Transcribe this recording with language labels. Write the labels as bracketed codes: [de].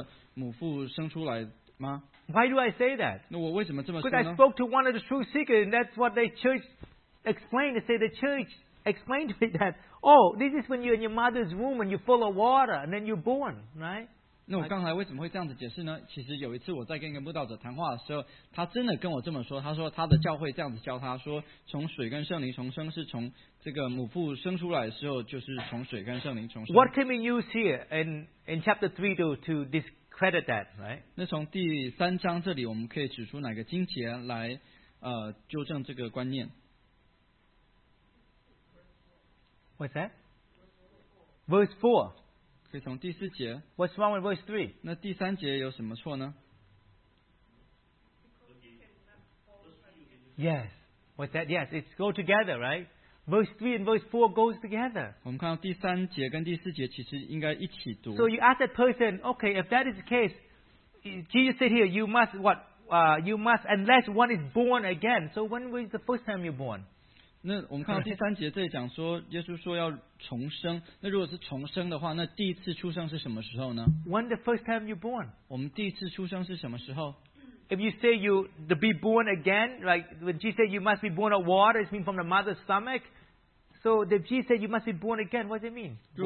[zh] 所以之前我在扮演这个慕道者角色的时候，我有问说，这个从水里重生，不是就是从这个母腹生出来吗？ [en] Why do I say that? [zh] 那我为什么这么说呢？ [en] Because I spoke to one of the truth seekers, and that's what they church explained. They say the church explained to me that. Oh, this is when you're in your mother's womb and you're full of water and then you're born, right? [zh] 那我刚才为什么会这样子解释呢?其实有一次我在跟一个慕道者谈话的时候, 他真的跟我这么说, 他说他的教会这样子教他说, 从水跟圣灵重生是从这个母腹生出来的时候就是从水跟圣灵重生。 [en] What can we use here in chapter 3 to discredit that, right? [zh] 那从第三章这里我们可以指出哪个经节来, 纠正这个观念。 [en] What's that? Verse 4. [zh] 可以从第四节, [en] What's wrong with verse 3? [zh] 那第三节有什么错呢? [en] Yes. What's that? Yes, it's go together, right? Verse 3 and verse 4 goes together. [zh] 我们看到第三节跟第四节其实应该一起读。 [en] So you ask that person, okay, if that is the case, Jesus said here, you must what? You must, unless one is born again. So when was the first time you're born? [zh] 那我们看到第三节这里讲说，耶稣说要重生。那如果是重生的话，那第一次出生是什么时候呢？ [en] When the first time you born? [zh] 我们第一次出生是什么时候？ [en] If you say you to be born again, like when Jesus said you must be born of water, it means from the mother's stomach. So if Jesus said you must be born again, what does it mean?